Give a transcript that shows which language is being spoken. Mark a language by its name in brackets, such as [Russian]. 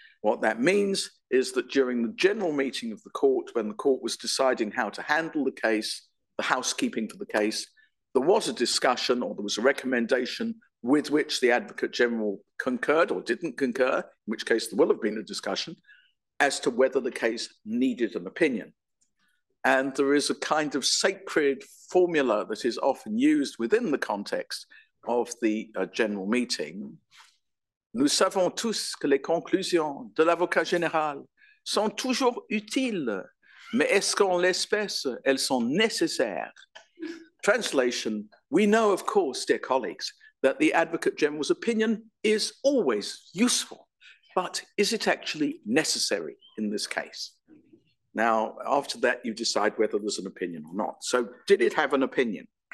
[English] What that means is that during the general meeting of the court, when the court was deciding how to handle the case, the housekeeping for the case, there was a discussion or there was a recommendation with which the Advocate General concurred or didn't concur, in which case there will have been a discussion, as to whether the case needed an opinion. And there is a kind of sacred formula that is often used within the context of the general meeting. [French] Nous savons tous que les conclusions de l'avocat général sont toujours utiles, mais est-ce qu'en l'espèce elles sont nécessaires? [English] Translation, we know, of course, dear colleagues, that the Advocate General's opinion is always useful, but is it actually necessary in this case? Now, after that, you decide whether there's an opinion or not. So did it have an opinion?